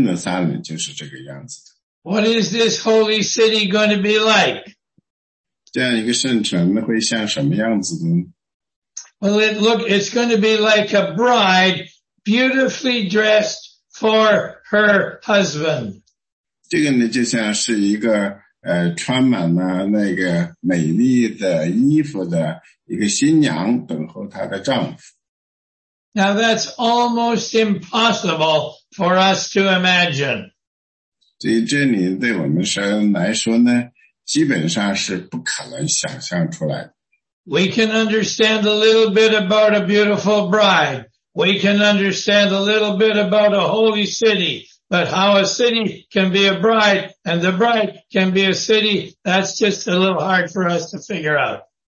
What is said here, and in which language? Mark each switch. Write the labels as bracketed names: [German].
[Chinese] 这个新的圣城呢，被称为新耶路撒冷，它被称之为圣城。这个圣城呢，就是像那个旧的耶路撒冷，它应该有的那个样子，但是旧的耶路撒冷从来没有达到过那个样子的。这个新耶路撒冷就是这个样子的。 [English] What is this holy city going to be like? [Chinese] 这样一个圣城会像什么样子呢？ [English] Well, it's going to be like a bride beautifully dressed for her husband. [Chinese] 这个呢，就像是一个穿满了那个美丽的衣服的一个新娘等候她的丈夫。 [English] Now that's almost impossible for us to imagine. [Chinese] 所以这里对我们来说呢，基本上是不可能想象出来的。 [English] We can understand a little bit about a beautiful bride. We can understand a little bit about a holy city. But how a city can be a bride and the bride can be a city, that's just a little hard for us to figure out.